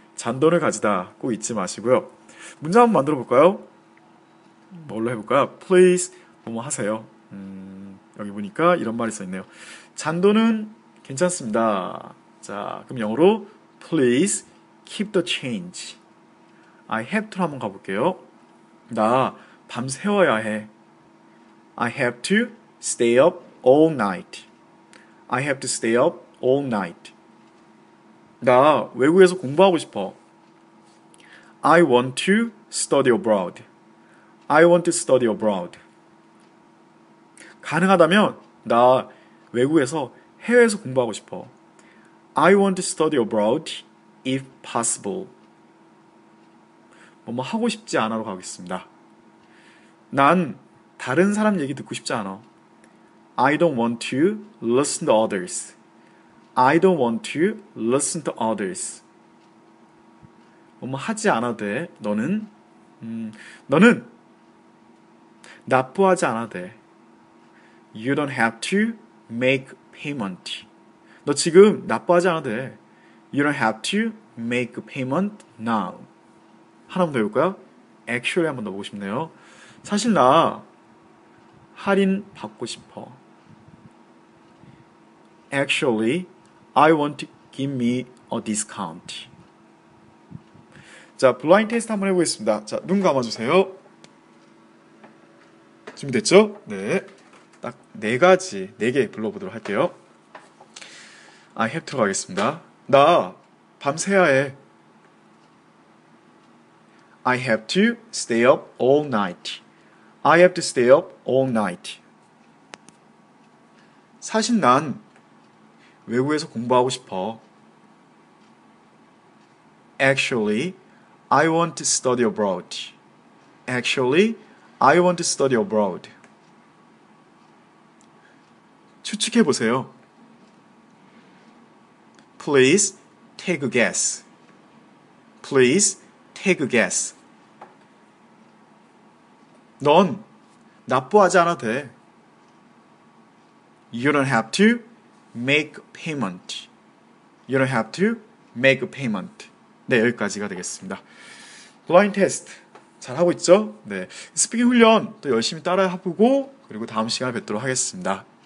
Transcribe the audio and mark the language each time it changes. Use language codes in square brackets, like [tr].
[ko] 잔돈을 가지다 꼭 잊지 마시고요. 문장 한번 만들어 볼까요? 뭘로 해볼까요? Please 뭐 하세요. 여기 보니까 이런 말이 써있네요. 잔돈은 괜찮습니다. 자, 그럼 영어로 [en] Please keep the change. I have to [ko] 한번 가볼게요. 나 밤새워야 해. [en] I have to stay up all night. I have to stay up all night. [ko] 나 외국에서 공부하고 싶어. [en] I want to study abroad. I want to study abroad. [ko] 가능하다면 나 외국에서 해외에서 공부하고 싶어. [en] I want to study abroad if possible. [ko] 뭐 하고 싶지 않아로 가겠습니다. 난 다른 사람 얘기 듣고 싶지 않아. [en] I don't want to listen to others. I don't want to listen to others. [ko] 뭐 하지 않아도 돼. 너는 너는 납부하지 않아도 돼. [en] You don't have to make payment. [ko] 너 지금 납부하지 않아도 돼. [en] You don't have to make payment now. [ko] 하나만 더 해볼까요? Actually 한번 넣어보고 싶네요. 사실 나 할인 받고 싶어. [en] Actually, I want to give me a discount. [ko] 자, 블라인드 테스트 한번 해보겠습니다. 자, 눈 감아주세요. 준비됐죠? 네. 딱 네 가지, 네 개 불러보도록 할게요. [en] I have to [ko] 가겠습니다. 나 밤새야 해. [en] I have to stay up all night. I have to stay up all night. [ko] 사실 난 외국에서 공부하고 싶어. [en] Actually, I want to study abroad. Actually, I want to study abroad. [ko] 추측해 보세요. [en] Please take a guess. Please take a guess. [ko] 넌 납부하지 않아도 돼. [en] You don't have to make payment. You don't have to make a payment. [ko] 네, 여기까지가 되겠습니다. 블라인드 테스트 잘 하고 있죠? 네, 스피킹 훈련 또 열심히 따라 해보고 그리고 다음 시간에 뵙도록 하겠습니다.